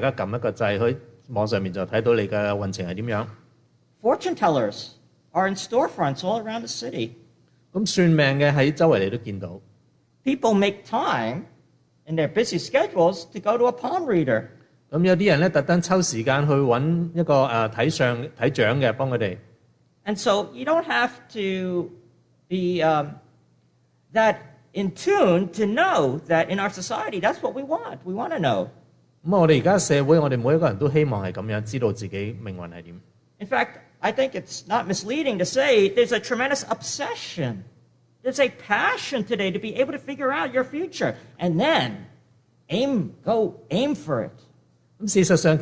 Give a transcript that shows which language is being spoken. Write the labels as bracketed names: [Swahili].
[Chinese] 所以現代星座運程這件事就很流行了,大家按一個按鈕,網上就看到你的運程是怎樣。 [English] Fortune tellers are in storefronts all around the city. [Chinese] 算命的在周圍你都見到。 [English] People make time in their busy schedules to go to a palm reader. [Chinese] 有些人特意抽時間去找一個看相、看獎的幫他們。 [English] And so you don't have to be that in tune to know that in our society, that's what we want. We want to know. [Chinese] 我們現在社會,我們每一個人都希望是這樣,知道自己命運是怎樣。 [English] In fact, I think it's not misleading to say there's a tremendous obsession. There's a passion today to be able to figure out your future and then aim for it.